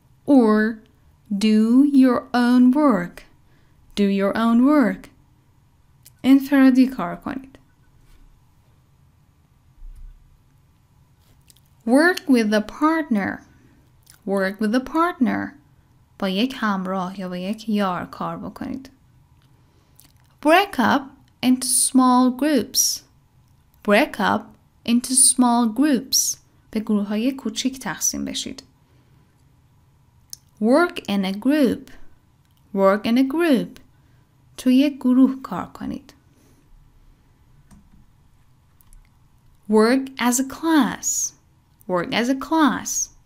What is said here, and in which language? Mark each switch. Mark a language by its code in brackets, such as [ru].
[en] Or do your own work. Do your own work. [fa] انفرادی کار کنید. [en] Work with a partner. Work with a partner. [fa] با یک همراه یا با یک یار کار بکنید. [en] Break up into small groups. Break up into small groups. [fa] به گروه های کوچک تقسیم بشید. [en] Work in a group. Work in a group. [fa] تو یک گروه کار کنید. [en] Work as a class. Work as a class.